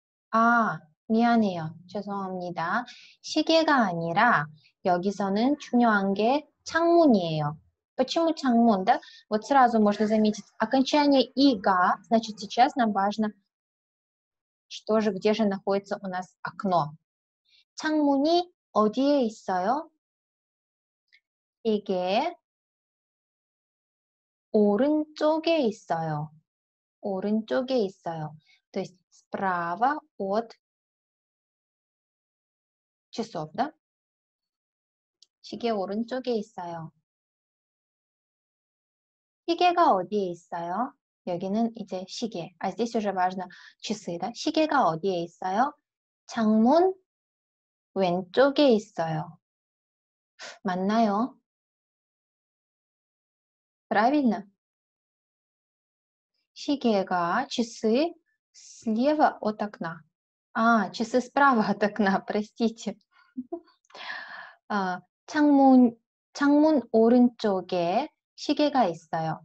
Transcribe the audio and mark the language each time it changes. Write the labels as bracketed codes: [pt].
[ko] 아, 미안해요. 죄송합니다. 시계가 아니라 여기서는 중요한 게 창문이에요. [ru] Почему 창문, да? Вот сразу можно заметить окончание ига, значит, сейчас нам важно, что же, где же находится у нас окно. [ko] 창문이 어디에 있어요? 이게 오른쪽에 있어요. 오른쪽에 있어요. [ru] То есть справа от часов, да? [ko] 시계 오른쪽에 있어요. 시계가 어디에 있어요? 여기는 이제 시계. [ru] 아, здесь уже важно часы, да? [ko] 시계가 어디에 있어요? 창문 왼쪽에 있어요. 맞나요? [ru] Правильно. 시계가 часы слева от окна. А, часы справа от окна, простите. [ko] 창문 오른쪽에 시계가 있어요.